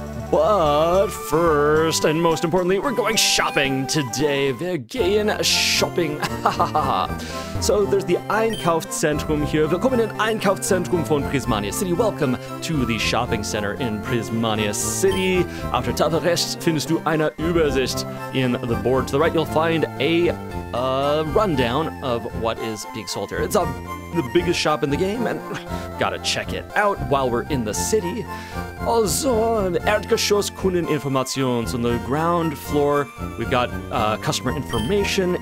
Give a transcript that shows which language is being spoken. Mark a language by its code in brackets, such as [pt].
[en] But first, and most importantly, we're going shopping today. [de] Wir gehen shopping. [en] So there's the Einkaufszentrum here. [de] Willkommen in Einkaufszentrum von Prismania City. [en] Welcome to the shopping center in Prismania City. [de] Auf der Tafel rechts findest du eine Übersicht. [en] In the board to the right, you'll find a rundown of what is being sold here. It's the biggest shop in the game, and gotta check it out while we're in the city. [de] Also, Erdgeschoss Kundeninformation. [en] So on the ground floor, we've got customer information.